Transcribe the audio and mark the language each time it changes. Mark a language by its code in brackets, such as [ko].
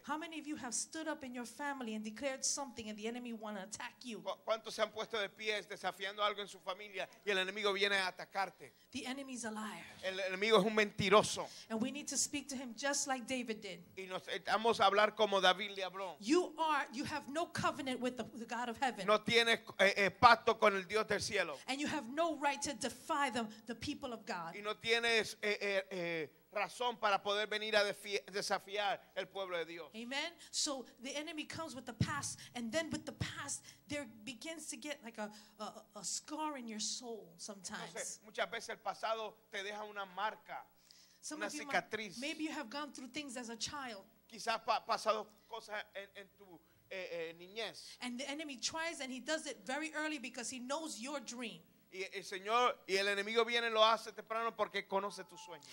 [en] How many of you have stood up in your family and declared something and the enemy want to attack you? [es] ¿Cuántos se han puesto de pie desafiando algo en su familia y el enemigo viene a atacarte? [en] The enemy is a liar. [es] El enemigo es un mentiroso. [en] And we need to speak to him just like David did. [es] Y nos vamos a hablar como David le habló. [en] You have no covenant with the God of heaven. [es] No tienes pacto con el Dios del cielo. [en] And you have no right to defy the people of God. [es] Y no tienes razón para poder venir a desafiar el pueblo de Dios. [en] Amen. So the enemy comes with the past, and then with the past, there begins to get like a scar in your soul sometimes. [es] Entonces, muchas veces el pasado te deja una marca, [en] some [es] una cicatriz. [en] Maybe you have gone through things as a child. [es] Quizás pasado cosas en tu niñez. [en] And the enemy tries, and he does it very early because he knows your dream. [es] Y el Señor y el enemigo viene y lo hace temprano porque conoce tu sueño.